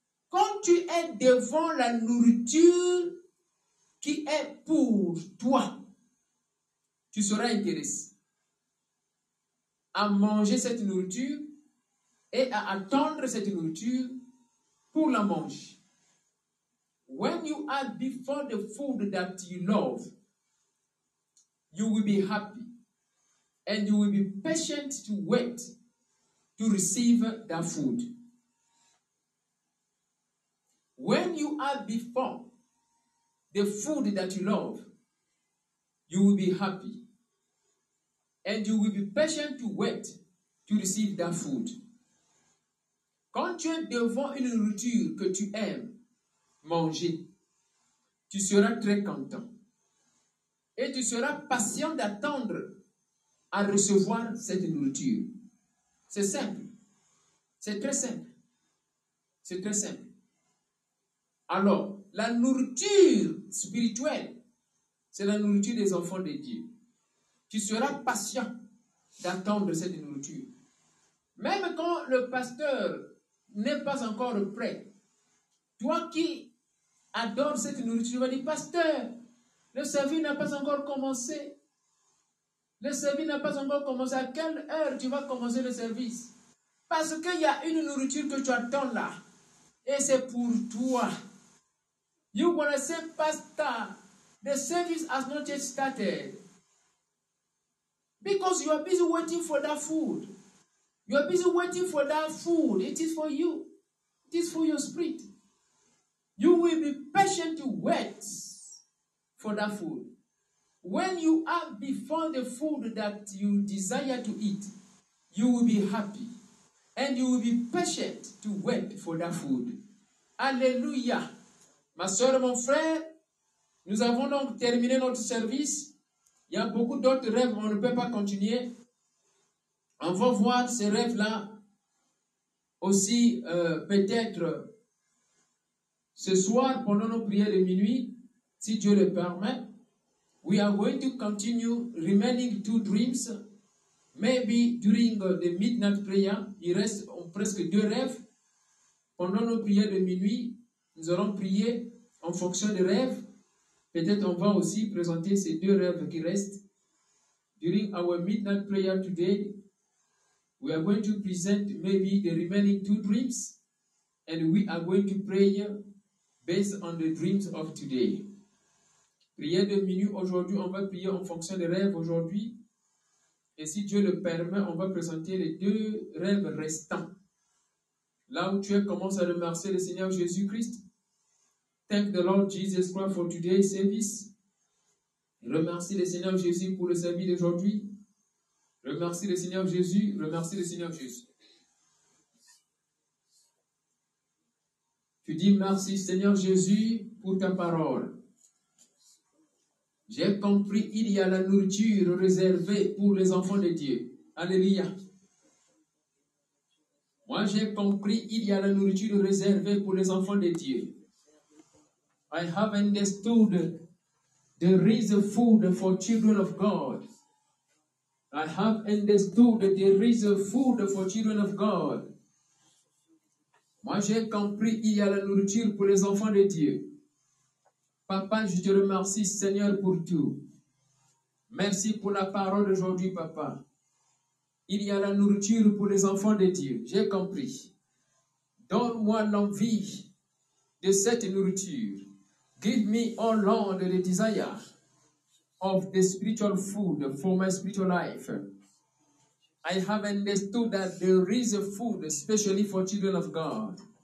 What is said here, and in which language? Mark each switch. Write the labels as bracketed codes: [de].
[fr] Quand tu es devant la nourriture qui est pour toi, tu seras intéressé à manger cette nourriture et à attendre cette nourriture pour la manger. [en] When you are before the food that you love, you will be happy and you will be patient to wait to receive that food. When you are before the food that you love, you will be happy and you will be patient to wait to receive that food. [fr] Quand tu es devant une nourriture que tu aimes manger, tu seras très content. Et tu seras patient d'attendre à recevoir cette nourriture. C'est simple. C'est très simple. C'est très simple. Alors, la nourriture spirituelle, c'est la nourriture des enfants de Dieu. Tu seras patient d'attendre cette nourriture. Même quand le pasteur n'est pas encore prêt, toi qui adores cette nourriture, tu vas dire, pasteur, le service n'a pas encore commencé. Le service n'a pas encore commencé. À quelle heure tu vas commencer le service? Parce qu'il y a une nourriture que tu attends là. Et c'est pour toi. [en] You wanna say, pastor, the service has not yet started. Because you are busy waiting for that food. You are busy waiting for that food. It is for you. It is for your spirit. You will be patient to wait for that food. When you are before the food that you desire to eat, you will be happy and you will be patient to wait for that food. [fr] Alléluia! Ma soeur et mon frère, nous avons donc terminé notre service. Il y a beaucoup d'autres rêves, mais on ne peut pas continuer. On va voir ces rêves-là aussi peut-être ce soir pendant nos prières de minuit. Si Dieu le permet, [en] we are going to continue remaining two dreams. Maybe during the midnight prayer, [fr] il reste presque deux rêves. Pendant nos prières de minuit, nous allons prier en fonction des rêves. Peut-être on va aussi présenter ces deux rêves qui restent. [en] During our midnight prayer today, we are going to present maybe the remaining two dreams. And we are going to pray based on the dreams of today. [fr] Prière de minuit aujourd'hui, on va prier en fonction des rêves aujourd'hui. Et si Dieu le permet, on va présenter les deux rêves restants. Là où tu es, commence à remercier le Seigneur Jésus-Christ. [en] Thank the Lord Jesus Christ for today's service. [fr] Remercie le Seigneur Jésus pour le service d'aujourd'hui. Remercie le Seigneur Jésus, remercie le Seigneur Jésus. Tu dis merci Seigneur Jésus pour ta parole. J'ai compris, il y a la nourriture réservée pour les enfants de Dieu. Alléluia. Moi, j'ai compris, il y a la nourriture réservée pour les enfants de Dieu. [en] I have understood there is food for children of God. I have understood there is food for children of God. [fr] Moi, j'ai compris, il y a la nourriture pour les enfants de Dieu. Papa, je te remercie, Seigneur, pour tout. Merci pour la parole d'aujourd'hui, Papa. Il y a la nourriture pour les enfants de Dieu. J'ai compris. Donne-moi l'envie de cette nourriture. [en] Give me all Lord the desire of the spiritual food for my spiritual life. I have understood that there is a food especially for children of God.